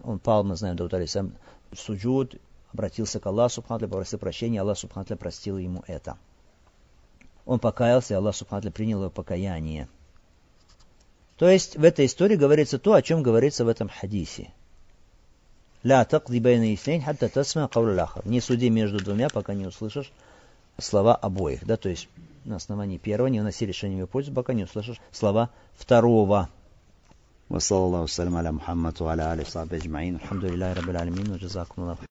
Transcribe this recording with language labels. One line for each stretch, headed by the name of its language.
Russian: Он пал, мы знаем, Дауда, алейхиссалям, в суджуд, обратился к Аллаху Субхану ва Тааля, попросил прощения, Аллах Субхану ва Тааля простил ему это. Он покаялся, и Аллах Субхану ва Тааля принял его покаяние. То есть в этой истории говорится то, о чем говорится в этом хадисе.
Arabic: لا تقضي بين اثنين حتى تسمع قول الآخر.
Russian: Не суди между двумя, пока не услышишь слова обоих. Да, то есть на основании первого не уноси решение в пользу, пока не услышишь слова второго.
Arabic: وصلى الله وسلم على محمد وعلى آله وصحبه أجمعين. الحمد لله رب العالمين وجزاكم الله خير.